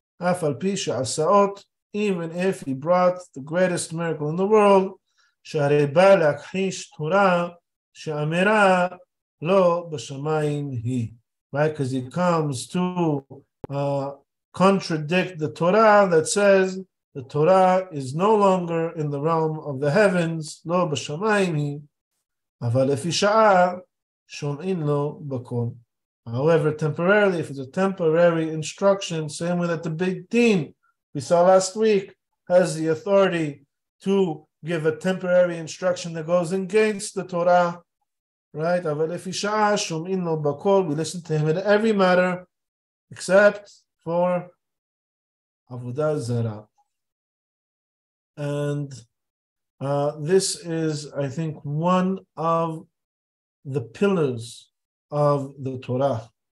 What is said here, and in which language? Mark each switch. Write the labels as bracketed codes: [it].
[he] Af al pi she'asaot, [en] even if he brought the greatest miracle in the world, [he] she'arei ba l'akhish Torah, she'amera lo b'shamayim hi. [en] Right, because he comes to contradict the Torah that says the Torah is no longer in the realm of the heavens, [he] lo b'shamayim hi. אבל לפי שעה שומעים לו בכל. [en] However, temporarily, if it's a temporary instruction, same way that the Beit Din we saw last week has the authority to give a temporary instruction that goes against the Torah, right? [he] אבל לפי שעה שומעים לו בכל. [en] We listen to him in every matter except for עבודה זרה. And this is, I think, one of the pillars of the Torah.